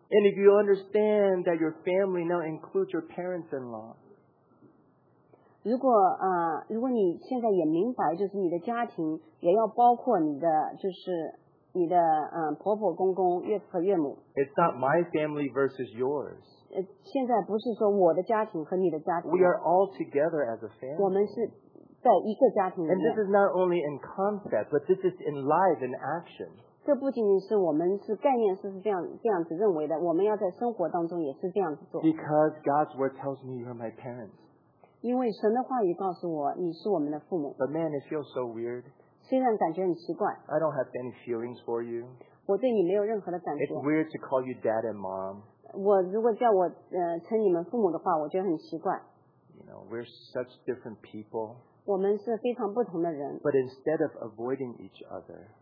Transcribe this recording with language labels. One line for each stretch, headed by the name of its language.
English: And if you understand that your family now includes your parents-in-law,
Chinese: 如果你现在也明白，就是你的家庭也要包括你的，就是你的婆婆公公、岳父岳母。
English: It's not my family versus yours.
Chinese: 现在不是说我的家庭和你的家庭。
English: We are all together as a family.
Chinese: 我们是在一个家庭里面。
English: And this is not only in concept, but this is in life and action.
Chinese: 这不仅仅是我们是概念是这样子认为的，我们要在生活当中也是这样子做。
English: Because God's word tells me you're my parents.
Chinese: 因为神的话语告诉我，你是我们的父母。
English: But man, it feels so weird.
Chinese: 虽然感觉很奇怪。
English: I don't have any feelings for you.
Chinese: 我对你没有任何的感觉。
English: It's weird to call you dad and mom.
Chinese: 我如果叫我称你们父母的话，我觉得很奇怪。
English: You know, we're such different people.
Chinese: 我们是非常不同的人。
English: But instead of avoiding each other.